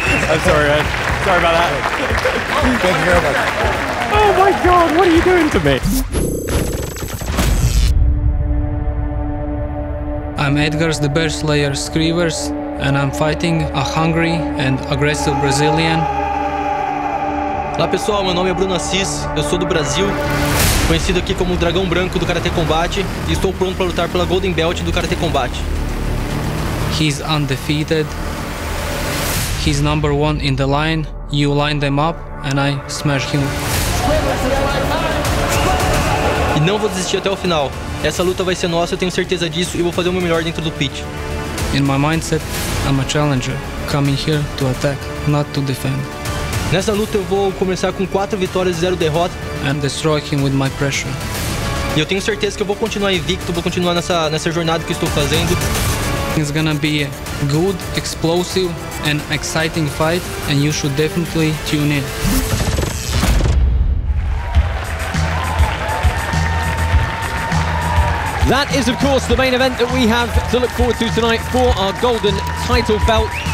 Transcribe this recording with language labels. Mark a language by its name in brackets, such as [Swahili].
[English] I'm sorry, Ed. Sorry about that. Thank you very much. Oh my God, what are you doing to me? I'm Edgars the Bear Slayer Skrivers, and I'm fighting a hungry and aggressive Brazilian. [Portuguese] Olá pessoal, meu nome é Bruno Assis, eu sou do Brasil. Conhecido aqui como o Dragão Branco do Karate Combate, e estou pronto para lutar pela Golden Belt do Karate Combate. [English] He's undefeated. He's number one in the line. You line them up and I smash him. [Portuguese] E não vou desistir até o final. Essa luta vai ser nossa, eu tenho certeza disso, e vou fazer o meu melhor dentro do pit. [English] In my mindset, I'm a challenger, coming here to attack, not to defend. [Portuguese] Nessa luta eu vou começar com 4 vitórias e 0 derrota. [English] And destroy him with my pressure. [Portuguese] E eu tenho certeza que eu vou continuar invicto, vou continuar nessa jornada que estou fazendo. [English] It's gonna be a good, explosive and exciting fight, and you should definitely tune in. That is of course the main event that we have to look forward to tonight for our golden title belt.